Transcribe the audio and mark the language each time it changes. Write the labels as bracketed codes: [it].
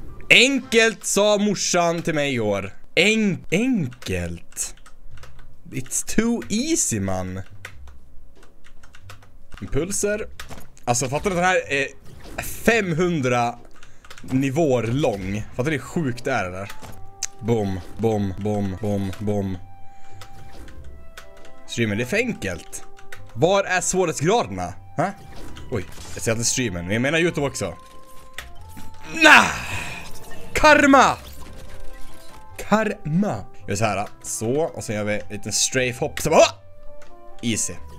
[sv] Enkelt sa morsan till mig i år. Enkelt. [en] It's too easy, man. [sv] Impulser. Alltså, fattar ni att den här är 500 nivåer lång? Fattar ni hur sjukt det är där? Boom, boom, boom, boom, boom. Streamen, det är för enkelt. Var är svårighetsgraderna? Ha? Oj, jag ser inte streamen, men jag menar YouTube också. Nah! Karma! Karma! Vi gör så här, så, och sen gör vi en liten strafe hopp, så bara, easy.